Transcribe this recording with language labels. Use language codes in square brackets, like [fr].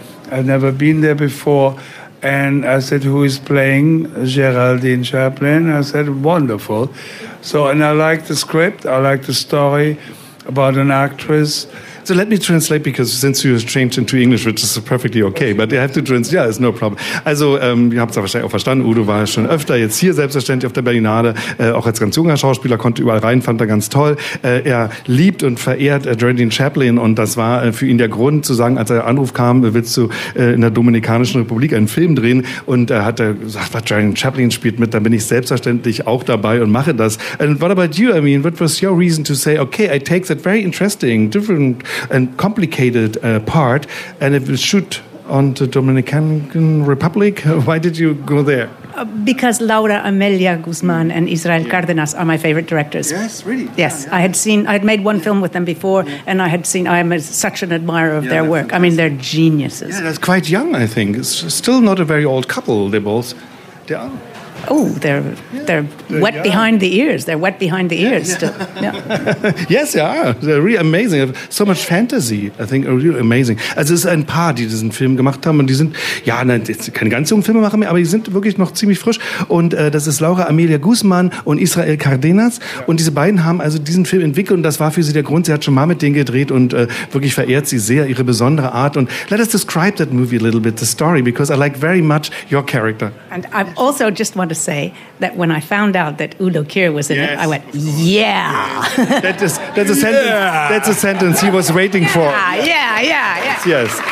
[en] I'd never been there before. And I said, who is playing Geraldine Chaplin? I said, wonderful. So, and I like the script. I like the story about an actress. So let me translate, because since you have changed into English, which is perfectly okay, but you have to translate. Yeah, it's no problem. [de] Also, ihr habt es ja wahrscheinlich auch verstanden. Udo war schon öfter jetzt hier, selbstverständlich auf der Berlinale, auch als ganz junger Schauspieler, konnte überall rein, fand er ganz toll. Er liebt und verehrt Geraldine Chaplin, und das war für ihn der Grund zu sagen, als der Anruf kam, willst du in der Dominikanischen Republik einen Film drehen? Und er hat gesagt, was Geraldine Chaplin spielt mit, dann bin ich selbstverständlich auch dabei und mache das. [en] And what about you? I mean, what was your reason to say, okay, I take that very interesting, different and complicated part, and if it shoot on the Dominican Republic, why did you go there? Because Laura Amelia Guzman and Israel Cárdenas are my favorite directors. Yes, really? Yes, yeah. I had made one film with them before, and I had seen, I'm such an admirer of their work. Fantastic. I mean, they're geniuses. Yeah, that's quite young, I think. It's still not a very old couple, they both. They are. Oh, they're wet behind the ears. They're wet behind the ears. Yes, they are. They're really amazing. So much fantasy, I think, are really amazing. [de] Also es ist ein paar, die diesen Film gemacht haben. Und die sind, ja, keine ganz jungen Filme machen mehr, aber die sind wirklich noch ziemlich frisch. Und das ist Laura Amelia Guzman und Israel Cárdenas. Und diese beiden haben also diesen Film entwickelt. Und das war für sie der Grund. Sie hat schon mal mit denen gedreht und wirklich verehrt sie sehr, ihre besondere Art. [en] Und let us describe that movie a little bit, the story, because I like very much your character. And I also just want to say that when I found out that Udo Kier was in it, I went, yeah. That's a sentence he was waiting for. Yes.